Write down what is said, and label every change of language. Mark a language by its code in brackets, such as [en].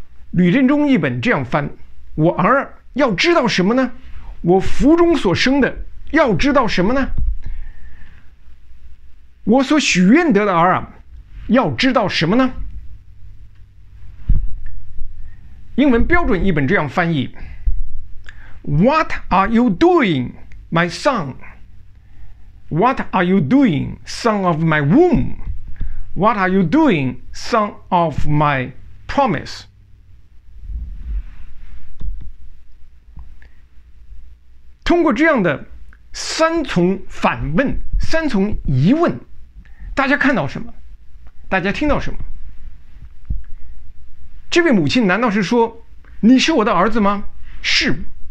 [zh] 吕振中一本这样翻，我儿要知道什么呢？我腹中所生的要知道什么呢？我所许愿得的儿啊，要知道什么呢？英文标准译本这样翻译 [en] What are you doing, my son? What are you doing, son of my womb? What are you doing, son of my promise? [zh] 通过这样的三重反问，三重疑问，大家看到什么？大家听到什么？这位母亲难道是说你是我的儿子吗？是。